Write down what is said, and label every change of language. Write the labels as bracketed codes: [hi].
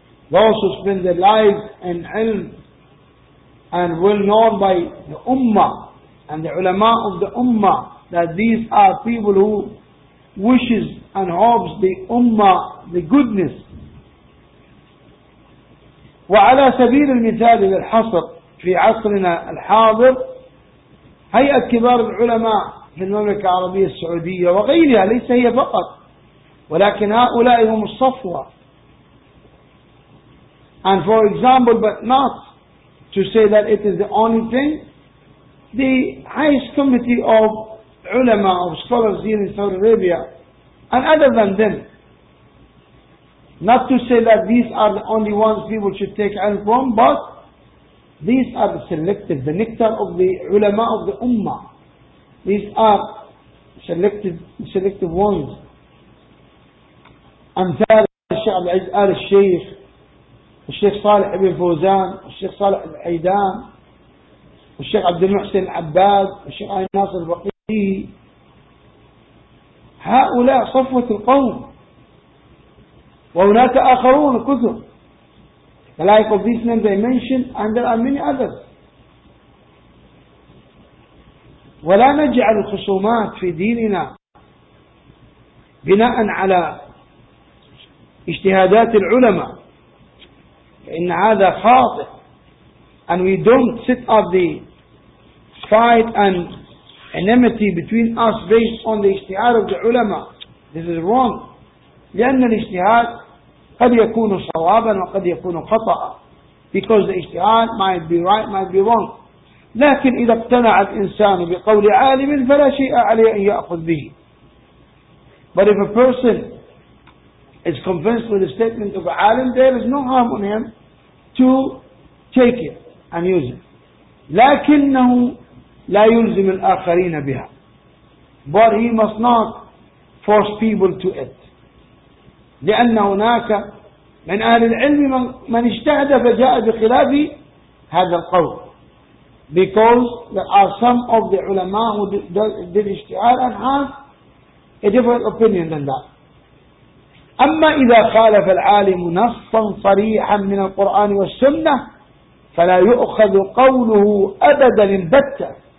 [en] Those who spend their lives in ilm and well known by the ummah and the ulama of the ummah, that these are people who wishes and hopes the ummah the goodness. [ar] وعلى سبيل المثال للحصر في عصرنا الحاضر هيئة كبار العلماء في المملكة العربية السعودية وغيرها، ليس هي فقط، ولكن هؤلاء هم الصفوة. [en] And for example, but not to say that it is the only thing, the highest committee of ulama, of scholars here in Saudi Arabia, and other than them, not to say that these are the only ones people should take ilm from, but these are the selected, the nectar of the ulama of the ummah. These are selected ones. [ar] Amthal al-Sheikh, الشيخ صالح بن فوزان، الشيخ صالح الحيدان، الشيخ عبد المحسن العباد، الشيخ علي ناصر البقيه، هؤلاء صفوة القوم. وهناك آخرون كثر. [en] The like of these names they mentioned, and there are many others. [ar] ولا نجعل الخصومات في ديننا بناء على اجتهادات العلماء. إن هذا خاطئ. [en] And we don't set up the fight and enmity between us based on the اجتهاد of the ulama. This is wrong. [ar] لأن الاجتهاد قد يكون صوابا وقد يكون خطأ. [en] Because the اجتهاد might be right, might be wrong. [ar] لكن إذا اقتنع الإنسان بقول عالم فلا شيء عليه أن يأخذ به. [en] But if a person is convinced with the statement of a عالم, there is no harm on him to take it and use it. [ar] لكنه لا يلزم الآخرين بها. [en] But he must not force people to it. [ar] لأن هناك من أهل العلم من اجتهد فجاء بخلاف هذا القول. [en] Because there are some of the ulama who did اجتهاد and have a different opinion than that. [ar] أما إذا خالف العالم نصا صريحا من القرآن والسنة فلا يؤخذ قوله أبدا البتة.